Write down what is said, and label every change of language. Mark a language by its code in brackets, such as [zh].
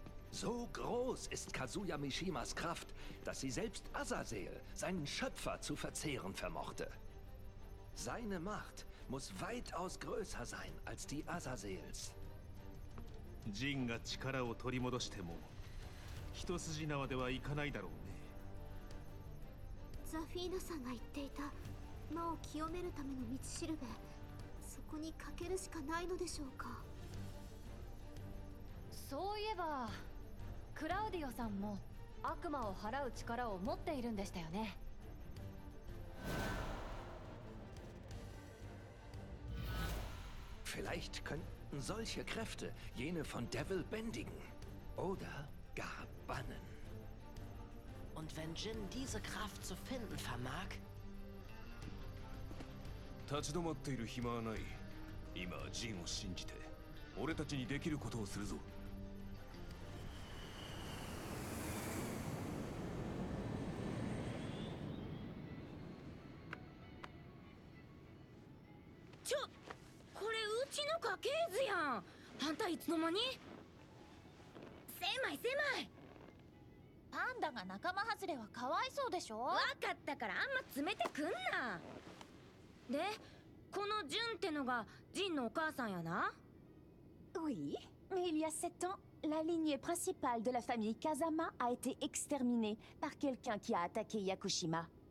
[de] So groß ist Kazuya Mishimas Kraft, dass sie selbst Azazel, seinen Schöpfer, zu verzehren vermochte. Seine Macht muss weitaus größer sein als die Azazels. [ja] Jin が力を取り戻しても、一筋縄ではいかないだろうね。ザフィーナさんが言っていた。魔を清めるための道しるべ、そこにかけるしかないのでしょうか。そういえば、クラウディオさんも悪魔を払う力を持っているんでしたよね。 [de] Vielleicht könnten solche Kräfte jene von Devil bändigen oder gar bannen. Und wenn Jin diese Kraft zu finden vermag. [ja] 立ち止まっている暇はない。今ジンを信じて、俺たちにできることをするぞ。ちょ、これうちの家系図やん。あんたいつの間に？狭い狭い。パンダが仲間外れはかわいそうでしょ？わかったからあんま詰めてくんな。で、このジュンってのがジンのお母さんやな。 [fr] Oui, il y a 7 ans, la lignée principale de la famille Kazama a été exterminée par quelqu'un qui a attaqué Yakushima.